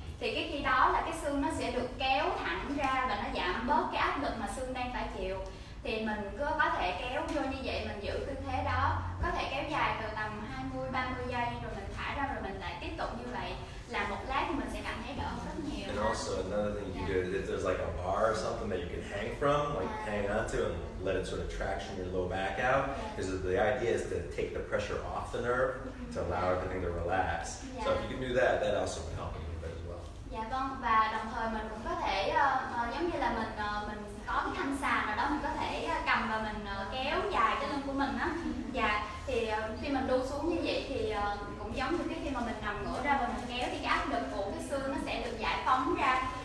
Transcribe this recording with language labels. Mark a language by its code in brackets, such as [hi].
[vi] Thì cái khi đó là cái xương nó sẽ được kéo thẳng ra và nó giảm bớt cái áp lực mà xương đang phải chịu. Thì mình cứ có thể kéo vô như vậy, mình giữ tư thế đó, có thể kéo dài từ tầm 20-30 giây rồi mình thả ra rồi mình lại tiếp tục như vậy. Là một lát thì mình sẽ cảm thấy đỡ rất nhiều. [en] And also another thing you can do is if there's like a bar or something that you can hang from, like hang onto and let it sort of traction your low back out, is that the idea is to take the pressure off the nerve to allow everything to relax. So if you can do that, that also can help you. [vi] Dạ vâng, và đồng thời mình cũng có thể giống như là mình có cái thanh xà nào đó, mình có thể cầm và mình kéo dài cái lưng của mình á. Dạ, thì khi mình đu xuống như vậy thì cũng giống như cái khi mà mình nằm ngửa ra và mình kéo thì cái áp lực của cái xương nó sẽ được giải phóng ra.